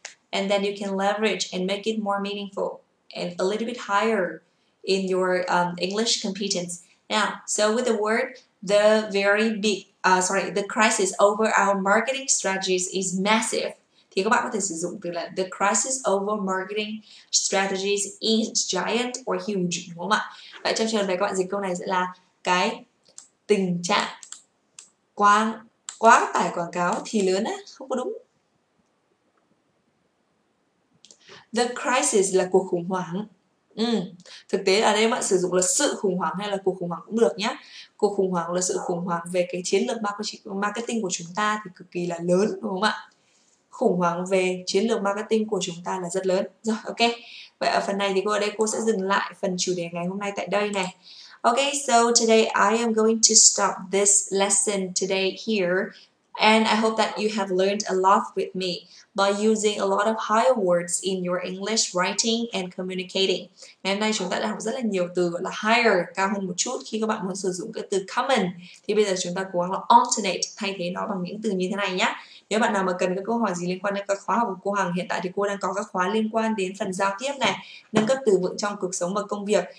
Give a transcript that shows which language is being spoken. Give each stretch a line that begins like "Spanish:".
English: And then you can leverage and make it more meaningful and a little bit higher in your English competence. Now, so with the word the very big, the crisis over our marketing strategies is massive.
Vietnamese: Thì các bạn có thể sử dụng từ là
English: the crisis over marketing strategies is giant or huge,
Vietnamese: đúng không ạ? Vậy trong trường hợp này các bạn dịch câu này sẽ là cái tình trạng quá tải quảng cáo thì lớn á, không có đúng. The crisis là cuộc khủng hoảng. Thực tế ở đây bạn sử dụng là sự khủng hoảng hay là cuộc khủng hoảng cũng được nhé. Cuộc khủng hoảng là sự khủng hoảng về cái chiến lược marketing của chúng ta thì cực kỳ là lớn, đúng không ạ? Khủng hoảng về chiến lược marketing của chúng ta là rất lớn. Rồi, ok. Vậy ở phần này thì cô ở đây cô sẽ dừng lại phần chủ đề ngày hôm nay tại đây này.
English: Ok, so today I am going to stop this lesson today here. And I hope that you have learned a lot with me by using a lot of higher words in your English writing and communicating.
Vietnamese: Ngày hôm nay chúng ta đã học rất là nhiều từ gọi là higher, cao hơn một chút khi các bạn muốn sử dụng cái từ common. Thì bây giờ chúng ta cố gắng là alternate, thay thế nó bằng những từ như thế này nhé. Nếu bạn nào mà cần các câu hỏi gì liên quan đến các khóa học của cô Hằng, hiện tại thì cô đang có các khóa liên quan đến phần giao tiếp này, nâng cấp từ vựng trong cuộc sống và công việc.